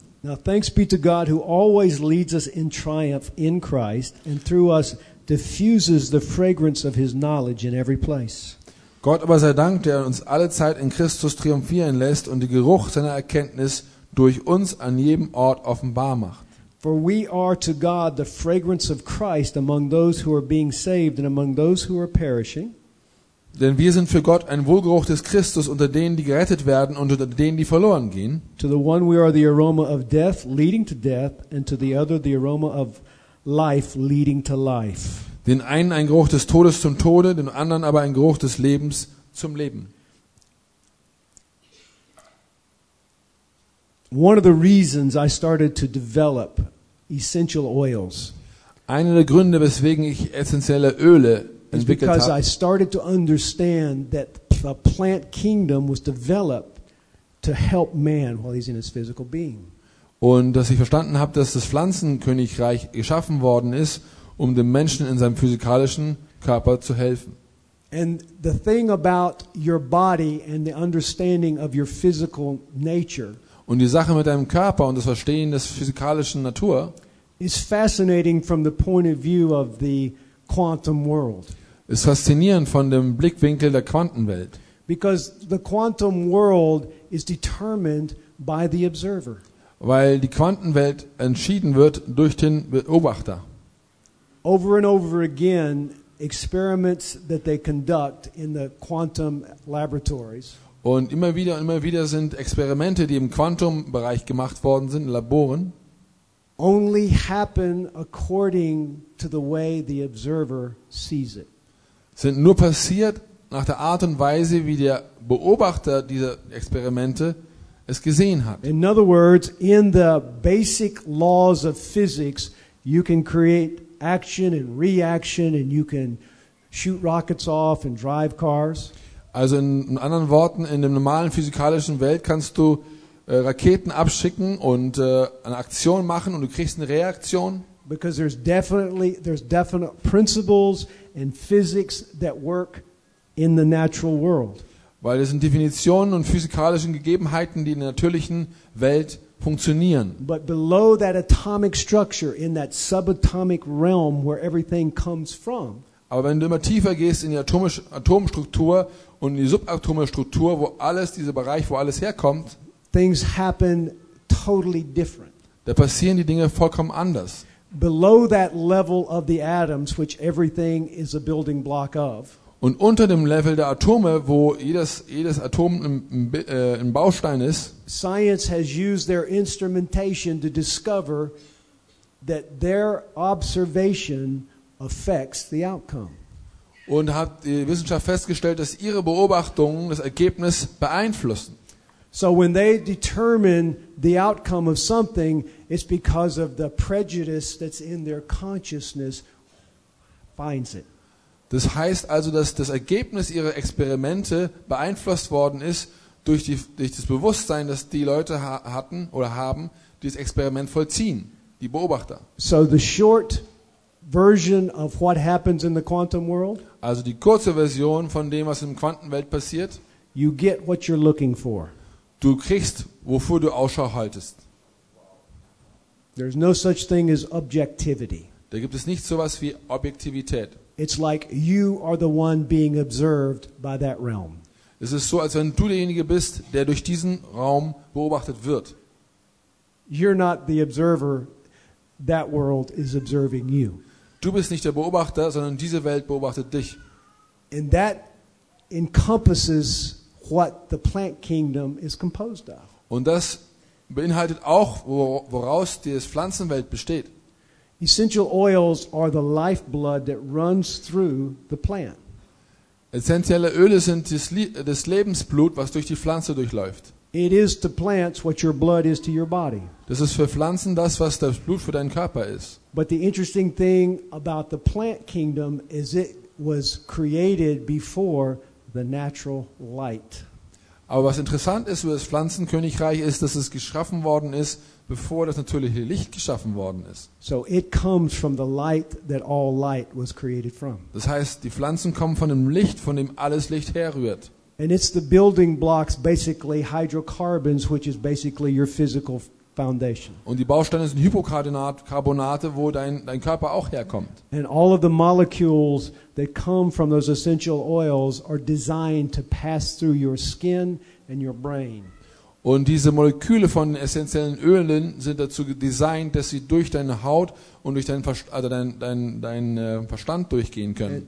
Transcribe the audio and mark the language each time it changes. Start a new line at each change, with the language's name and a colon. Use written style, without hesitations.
English: Now thanks be to God who always leads us in triumph in Christ and through us diffuses the fragrance of his knowledge in every place.
German: Gott aber sei Dank, der uns alle Zeit in Christus triumphieren lässt und den Geruch seiner Erkenntnis durch uns an jedem Ort offenbar macht.
English: For we are to God the fragrance of Christ among those who are being saved and among those who are perishing.
German: Denn wir sind für Gott ein Wohlgeruch des Christus unter denen, die gerettet werden und unter denen, die verloren gehen.
English: To the one we are the aroma of death leading to death and to the other the aroma of life leading to life.
German: Den einen ein Geruch des Todes zum Tode, den anderen aber ein Geruch des Lebens zum Leben.
English: One of the reasons I started to develop essential oils.
German: Einer der Gründe, weswegen ich essentielle Öle entwickelt habe,
English: is because I started to understand that the plant kingdom was developed to help man while he's in his physical being.
German: Und dass ich verstanden habe, dass das Pflanzenkönigreich geschaffen worden ist, um dem Menschen in seinem physikalischen Körper zu helfen.
English: And the thing about your body and the understanding of your physical nature.
German: Und die Sache mit deinem Körper und das Verstehen des physikalischen Natur
English: is fascinating from the point of view of the quantum world.
German: Ist faszinierend von dem Blickwinkel der Quantenwelt.
English: Because the quantum world is determined by the observer.
German: Weil die Quantenwelt entschieden wird durch den Beobachter.
English: Over and over again, experiments that they conduct in the quantum laboratories.
German: Und immer wieder sind Experimente, die im Quantumbereich gemacht worden sind, Laboren.
English: Only happen according to the way the observer sees it.
German: Sind nur passiert nach der Art und Weise, wie der Beobachter dieser Experimente es gesehen hat.
English: In other words, in the basic laws of physics, you can create action and reaction, and you can shoot rockets off and drive cars.
German: Also in anderen Worten, in dem normalen physikalischen Welt kannst du Raketen abschicken und eine Aktion machen und du kriegst eine Reaktion.
English: Because there's definite principles and physics that work in the natural world.
German: Weil es sind Definitionen und physikalischen Gegebenheiten, die in der natürlichen Welt funktionieren.
English: But below that atomic structure, in that subatomic realm where everything comes from.
German: Aber wenn du immer tiefer gehst in die Atomstruktur und die subatome Struktur, wo alles, dieser Bereich, wo alles herkommt,
English: things happen totally different.
German: Da passieren die Dinge vollkommen anders.
English: Below that level of the atoms, which everything is a building block of.
German: Und unter dem Level der Atome, wo jedes Atom ein Baustein ist.
English: Science has used their instrumentation to discover that their observation affects the outcome.
German: Und hat die Wissenschaft festgestellt, dass ihre Beobachtungen das Ergebnis beeinflussen.
English: So when they determine the outcome of something, it's because of the prejudice that's in their consciousness finds it.
German: Das heißt also, dass das Ergebnis ihrer Experimente beeinflusst worden ist durch das Bewusstsein, das die Leute hatten oder haben, die das Experiment vollziehen, die Beobachter.
English: So the short version of what happens in the quantum world.
German: Also die kurze Version von dem, was in der Quantenwelt passiert.
English: You get what you're looking for.
German: Du kriegst, wofür du Ausschau haltest.
English: There's no such thing as objectivity.
German: Da gibt es nicht sowas wie Objektivität.
English: It's like you are the one being observed by that realm.
German: Es ist so, als wenn du derjenige bist, der durch diesen Raum beobachtet wird.
English: You're not the observer. That world is observing you.
German: Du bist nicht der Beobachter, sondern diese Welt beobachtet dich.
English: And that encompasses what the plant kingdom is composed of.
German: Und das beinhaltet auch, woraus die Pflanzenwelt besteht.
English: Essential oils are the lifeblood that runs through the plant.
German: Essentielle Öle sind das Lebensblut, was durch die Pflanze durchläuft.
English: It is to plants what your blood is to your body.
German: Das ist für Pflanzen das, was das Blut für deinen Körper ist.
English: But the interesting thing about the plant kingdom is it was created before the natural light.
German: Aber was interessant ist über das Pflanzenkönigreich ist, dass es geschaffen worden ist, bevor das natürliche Licht geschaffen worden ist.
English: So it comes from the light that all light was created from.
German: Das heißt, die Pflanzen kommen von dem Licht, von dem alles Licht herrührt.
English: And it's the building blocks, basically hydrocarbons, which is basically your physical foundation.
German: Und die Bausteine sind Hydrocarbonate, wo dein Körper auch herkommt.
English: And all of the molecules that come from those essential oils are designed to pass through your skin and your brain.
German: Und diese Moleküle von essentiellen Ölen sind dazu designed, dass sie durch deine Haut und durch deinen Verstand durchgehen können.